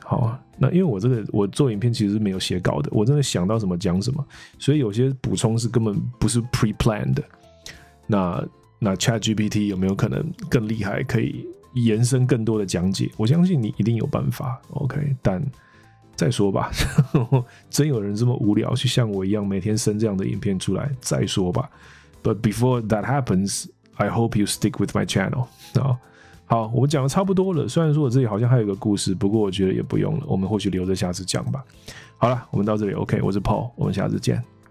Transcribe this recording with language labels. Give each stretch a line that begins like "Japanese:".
Chinese: 好，那因为我这个我做影片其实没有写稿的，我真的想到什么讲什么，所以有些补充是根本不是 pre-planned 的。那 ChatGPT 有没有可能更厉害，可以延伸更多的讲解？我相信你一定有办法， OK， 但再说吧，真有人这么无聊去像我一样每天生这样的影片出来，再说吧。
English: But before that happens, I hope you stick with my channel.
Chinese: 好，我讲的差不多了。虽然说我这里好像还有一个故事，不过我觉得也不用了，我们或许留着下次讲吧。好了，我们到这里。OK， 我是 Paul， 我们下次见。